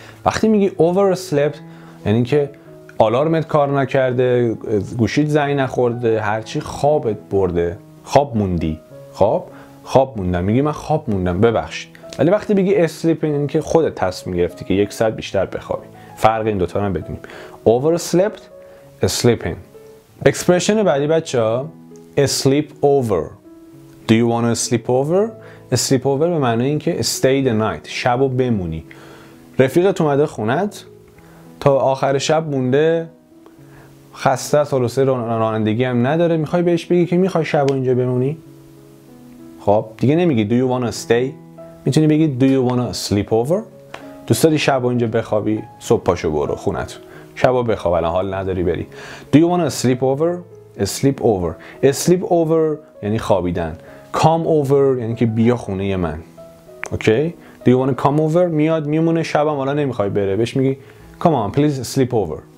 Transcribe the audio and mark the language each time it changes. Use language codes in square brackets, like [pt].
[fa] وقتی میگی overslept یعنی که آلارمت کار نکرده، گوشیت زنگ نخورده، هرچی خوابت برده، خواب موندی. خواب موندم میگی من خواب موندم، ببخشید. ولی وقتی میگی sleep in یعنی که خودت تصمیم گرفتی که یک ساعت بیشتر بخوابی. فرق این دوتا رو هم بدونیم، overslept، sleep in. اکسپرشن بعدی بچه ها sleep over. [en] Do you want to sleep over؟ sleep over [fa] به معنی این که [en] stay the night، [fa] شب رو بمونی. رفیقت اومده خونت، تا آخر شب مونده، خسته است، حوصله رانندگی هم نداره، میخوای بهش بگی که میخوای شب رو اینجا بمونی؟ خب دیگه نمیگی [en] do you want to stay؟ [fa] میتونی بگی [en] do you want to sleep over؟ [fa] دوست داری شب رو اینجا بخوابی؟ صبح پاشو برو خونت، شب رو بخواب، الان حال نداری بری. [en] Do you want to sleep over؟ sleep over. [fa] sleep over یعنی خوابیدن. come over یعنی که بیا خونه من. اوکی؟ [en] do you want to come over؟ [fa] میاد میمونه شبم، حالا نمیخوای بره، بهش میگی [en] come on please sleep over.